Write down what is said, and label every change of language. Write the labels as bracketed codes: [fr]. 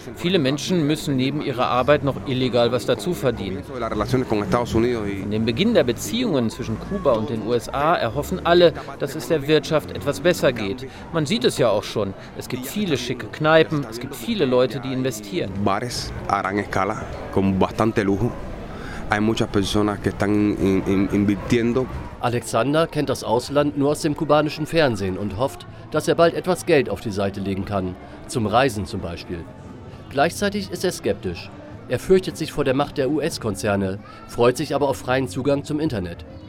[de] Viele Menschen müssen neben ihrer Arbeit noch illegal was dazu verdienen. An dem Beginn der Beziehungen zwischen Kuba und den USA erhoffen alle, dass es der Wirtschaft etwas besser geht. Man sieht es ja auch schon. Es gibt viele schicke Kneipen, es gibt viele Leute, die investieren. [es] Bares a gran escala, con bastante lujo. Hay muchas personas que están invirtiendo. [de] Alexander kennt das Ausland nur aus dem kubanischen Fernsehen und hofft, dass er bald etwas Geld auf die Seite legen kann, zum Reisen zum Beispiel. Gleichzeitig ist er skeptisch. Er fürchtet sich vor der Macht der US-Konzerne, freut sich aber auf freien Zugang zum Internet.